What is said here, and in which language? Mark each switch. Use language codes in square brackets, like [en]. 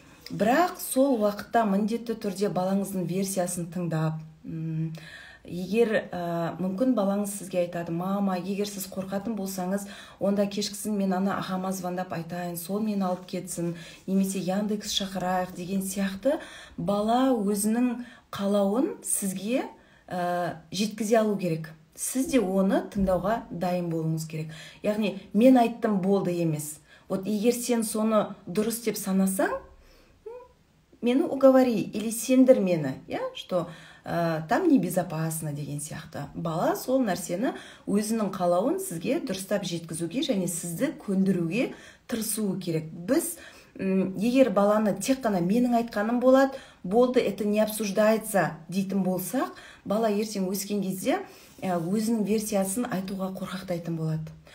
[kk] Бірақ сол уақытта міндетті түрде балаңыздың версиясын тыңдап, егер мүмкін балаңыз сізге айтады, мама, егер сіз қорқатын болсаңыз, онда кешкісін мен ана ағама звандап айтайын, сол мен алып кетсін, немесе Яндекс шақырайық деген сияқты, бала өзінің қалауын сізге жеткізе алу керек. Сіз де оны тыңдауға дайын болуыңыз керек. Яғни, мен айттым болды емес. Вот егер сен соны дұрыс деп санасаң, мені уговори, или сендір мені, [ru] что там небезопасно [kk] деген сияқты. Бала сол нәрсені өзінің қалауын сізге дұрыстап жеткізуге және сізді көндіруге тырысуы керек. Біз егер баланы тек қана менің айтқаным болады, болды, [ru] это не обсуждается [kk] дейтін болсақ, бала ертең өскен кезде өзінің версиясын айтуға қорқақтайтын болады.